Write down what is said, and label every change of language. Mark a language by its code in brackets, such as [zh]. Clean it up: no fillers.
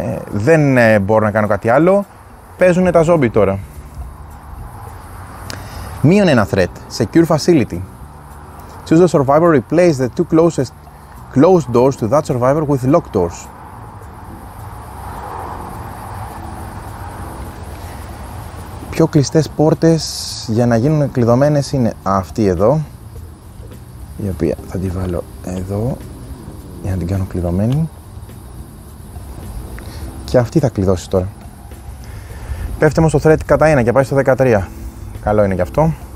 [el] Δεν μπορώ να κάνω κάτι άλλο. Παίζουν τα zombie τώρα. Μείον ένα thread. [en] Secure facility. Choose the survivor, replace the two closest closed doors to that survivor with locked doors. [el] Πιο κλειστές πόρτες για να γίνουν κλειδωμένες είναι αυτή εδώ, η οποία θα τη βάλω εδώ για να την κάνω κλειδωμένη. Και αυτή θα κλειδώσει τώρα. Πέφτει όμως το thread κατά ένα και πάει στο 13. Καλό είναι γι' αυτό.